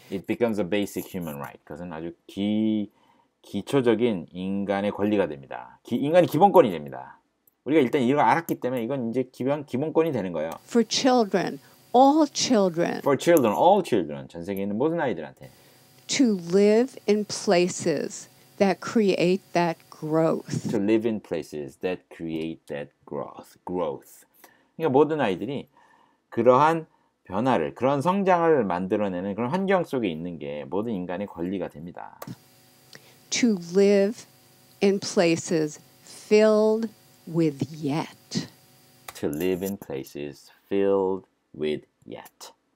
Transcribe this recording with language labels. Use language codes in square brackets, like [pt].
[en] It becomes a basic human right. [ko] 그것은 아주 기초적인 인간의 권리가 됩니다. 인간의 기본권이 됩니다. 우리가 일단 이걸 알았기 때문에 이건 이제 기본권이 되는 거예요. [en] For children, all children. For children, all children. [ko] 전 세계에 있는 모든 아이들한테. [en] To live in places that create that growth. To live in places that create that growth. Growth. [ko] 그러니까 모든 아이들이 그러한 변화를, 그런 성장을 만들어내는 그런 환경 속에 있는 게 모든 인간의 권리가 됩니다. [en] To live in places filled with yet. To live in places filled with yet.